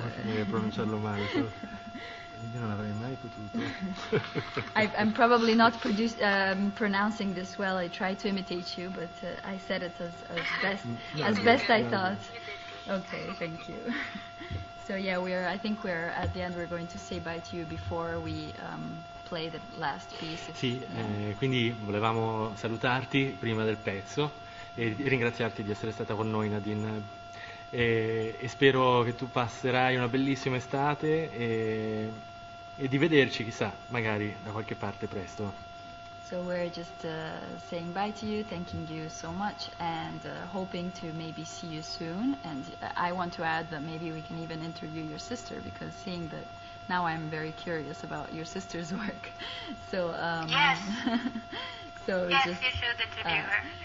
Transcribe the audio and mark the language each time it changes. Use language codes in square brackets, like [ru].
[it] Non devi pronunciarlo male, io non avrei mai potuto. [en] I'm probably not pronouncing this well. I tried to imitate you, but I said it as best as best I thought. Okay, thank you. So yeah, I think we're at the end. We're going to say bye to you before we play the last piece. [it] Sì, quindi volevamo salutarti prima del pezzo e ringraziarti di essere stata con noi, Nadine, e spero che tu passerai una bellissima estate e di vederci chissà magari da qualche parte presto. [en] So we're just saying bye to you, thanking you so much, and hoping to maybe see you soon. And I want to add that maybe we can even interview your sister, because seeing that now I'm very curious about your sister's work. So yes. So yes, just, you should interview her.